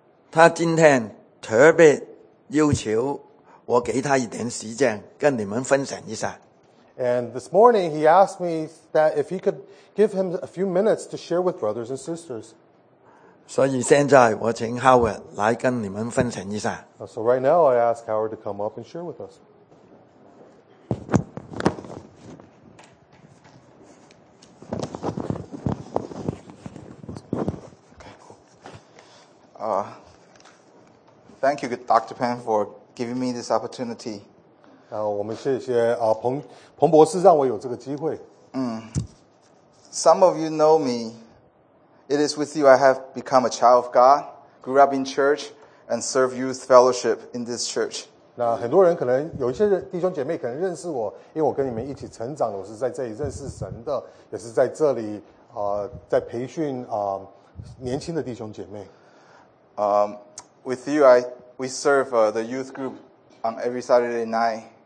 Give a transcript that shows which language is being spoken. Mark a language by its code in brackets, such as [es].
[zh] 他今天特别要求我给他一点时间跟你们分享一下。 [en] And this morning, he asked me that if he could give him a few minutes to share with brothers and sisters. [zh] 所以现在我请 Howard 来跟你们分享一下。 [en] So right now, I ask Howard to come up and share with us. Thank you, Dr. Pan, for giving me this opportunity. [zh] 我们谢谢彭博士让我有这个机会。 [en] Some of you know me. It is with you I have become a child of God, grew up in church, and serve youth fellowship in this church. [zh] 那很多人可能有一些弟兄姐妹可能认识我，因为我跟你们一起成长的，我是在这里认识神的，也是在这里在培训年轻的弟兄姐妹。 [en] With you, we serve the youth group on every Saturday night.